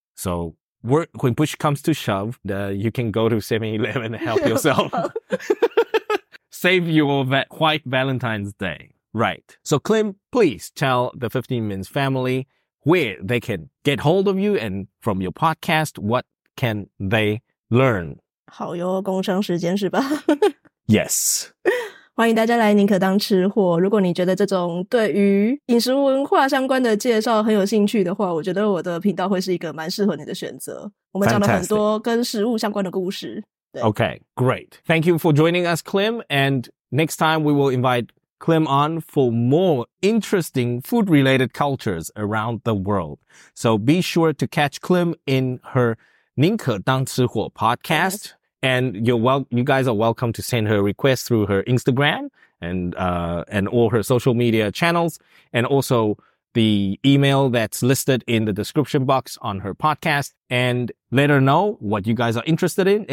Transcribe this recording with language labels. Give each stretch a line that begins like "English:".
English: So when push comes to shove, you can go to 7-Eleven and help yourself. Save your white Valentine's Day. Right. So Clem, please tell the 15 Minutes family where they can get hold of you and from your podcast, what can they learn?
Chinese: 好哟，工商时间是吧
English: ？Yes，
Chinese: 欢迎大家来宁可当吃货。如果你觉得这种对于饮食文化相关的介绍很有兴趣的话，我觉得我的频道会是一个蛮适合你的选择。我们讲了很多跟食物相关的故事。
English: Okay, great. Thank you for joining us, Clem. And next time we will invite Clem on for more interesting food-related cultures around the world. So be sure to catch Clem in her 宁可当吃货 podcast, yes. And you guys are welcome to send her requests through her Instagram and all her social media channels, and also the email that's listed in the description box on her podcast, and let her know what you guys are interested in.